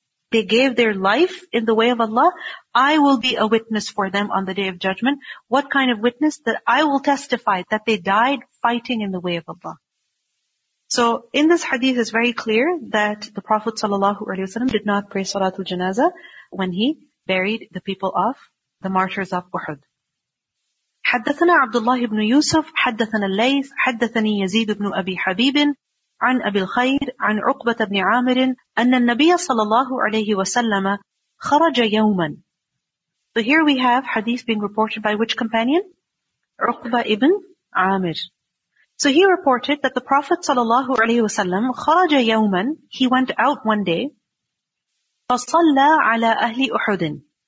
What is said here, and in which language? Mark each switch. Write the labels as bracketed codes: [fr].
[en] They gave their life in the way of Allah. I will be a witness for them on the day of judgment. What kind of witness? That I will testify that they died fighting in the way of Allah. So in this hadith is very clear that the Prophet sallallahu alaihi wasallam did not pray salatul janazah when he buried the people of the martyrs of Uhud. [ar] حدثنا عبد الله بن يوسف حدثنا الليث حدثني يزيد بن أبي حبيب عن أبي الخير عن عقبة بن عامر أن النبي صلى الله عليه وسلم خرج يوما. [en] So here we have hadith being reported by which companion? [ar] عقبة ابن عامر. [en] So he reported that the Prophet [ar] صلى الله عليه وسلم خرج يوما. [en] He went out one day. [ar] فصلى على أهل أحد.